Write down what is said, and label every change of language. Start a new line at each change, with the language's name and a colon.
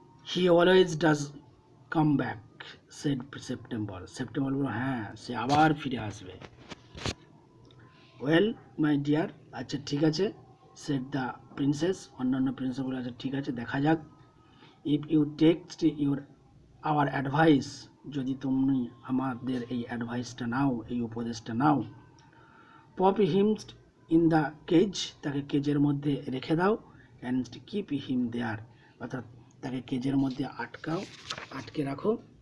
English: He always does come back, said September.
Bangla: September, হ্যাঁ, সে আবার ফিরে আসবে.
English: Well, my dear,
Bangla: আচ্ছা ঠিক আছে,
English: said the princess.
Bangla: অন্যান্য প্রিন্সেস বলল, আচ্ছা ঠিক আছে, দেখা যাক.
English: If you take our advice,
Bangla: যদি তুমি আমাদের এই অ্যাডভাইসটা নাও, এই উপদেশটা নাও,
English: pop him in the cage,
Bangla: তাকে কেজের মধ্যে রেখে দাও,
English: and keep him there,
Bangla: অর্থাৎ তাকে কেজের মধ্যে আটকাও, আটকে রাখো.